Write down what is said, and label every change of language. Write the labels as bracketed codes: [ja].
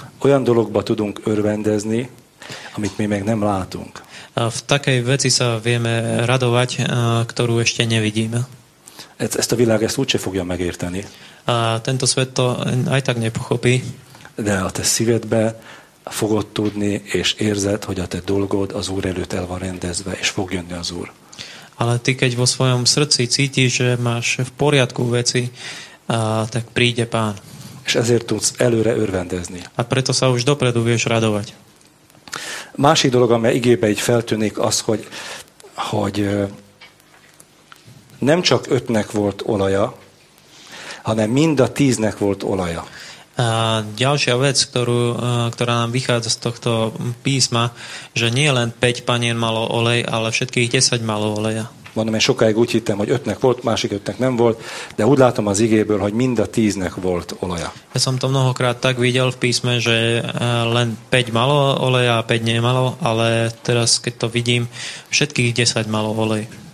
[hu] Olyan dologba tudunk örvendezni, amit mi meg nem látunk. [sk] V takej veci sa vieme radovať, ktorú ešte nevidíme. [hu] Ezt a világ ezt úgyse fogja megérteni. [sk] Tento svet to aj tak nepochopí. [hu] De a te szívedbe fogod tudni, és érzed, hogy a te dolgod az Úr előtt el van rendezve, és fog jönni az Úr. [sk] Ale ty, keď vo svojom srdci cítiš, že máš v poriadku veci, tak príde pán. [hu] És ezért tudsz előre örvendezni. [sk] A preto sa už dopredu vieš radovať. [hu] Másik dolog, amely igébe így feltűnik, az, hogy nem csak 5-nek volt olaja, hanem mind a 10-nek volt olaja. [sk] A ďalšia vec, ktorá nám vychádza z tohto písma, že nie len 5 panien malo olej, ale všetkých 10 malo oleja. [hu] Mondom, én sokáig úgy hittem, hogy 5-nek volt, másik 5-nek nem volt, de úgy látom az igéből, hogy mind a 10-nek volt olaja. [sk] Ja som to mnohokrát tak videl v písme, že len 5 malo oleja a 5 nemalo, ale teraz, keď to vidím, všetkých 10 malo olej.